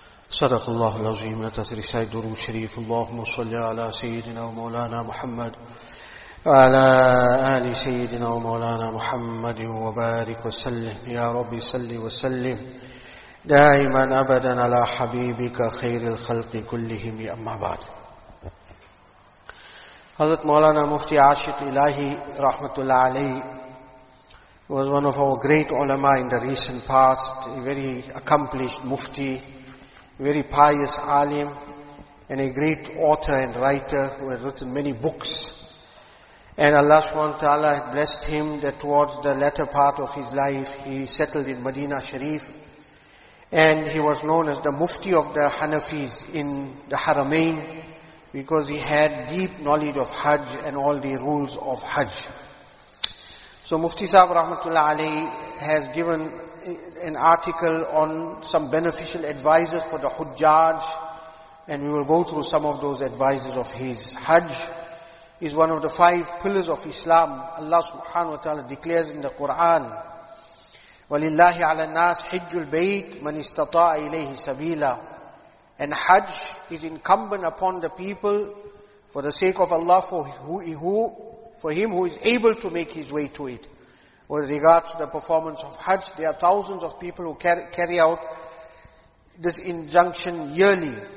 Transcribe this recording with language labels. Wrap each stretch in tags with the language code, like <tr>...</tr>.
<ar>صدق الله العظيم. نتذكر سيد درو شريف. اللهم صل على سيدنا ومولانا محمد وعلى آل سيدنا ومولانا محمد وبارك وسلم. يا ربي صل وسلم دائما أبدا على حبيبك خير الخلق كلهم. أما بعد،</ar> <en>حضرت مولانا مفتي عاشق الهي رحمة الله عليه was one of our great ulama in the recent past, a very accomplished mufti, very pious alim, and a great author and writer who has written many books. And Allah subhanahu wa ta'ala blessed him that towards the latter part of his life, he settled in Medina Sharif, and he was known as the mufti of the Hanafis in the Haramain, because he had deep knowledge of Hajj and all the rules of Hajj. So Mufti Sahib Rahmatullah Ali has given an article on some beneficial advisors for the Hujjaj, and we will go through some of those advisors of his. Hajj is one of the five pillars of Islam. Allah subhanahu wa ta'ala declares in the Quran,</en> <ar>وَلِلَّهِ عَلَى النَّاسِ حِجُّ الْبَيْتِ مَنْ اسْتَطَاعَ إِلَيْهِ سَبِيلًا.</ar> <en>And Hajj is incumbent upon the people for the sake of Allah, for him who is able to make his way to it. With regards to the performance of Hajj, there are thousands of people who carry out this injunction yearly.</en>